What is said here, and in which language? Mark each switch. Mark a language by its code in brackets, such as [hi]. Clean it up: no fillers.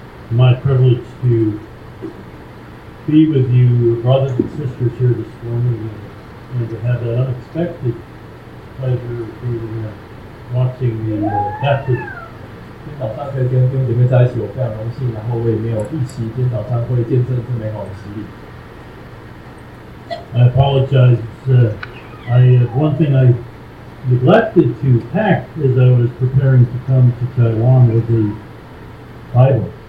[en] My privilege to be with you, brothers and sisters, here this morning, and to have that unexpected pleasure of being watching the baptism. [zh] 今天早上可以跟弟兄姐妹在一起，我非常荣幸，然后我也没有预期今天早上会见证这美好的洗礼。 [en] I apologize. I have one thing I neglected to pack as I was preparing to come to Taiwan with the Bible.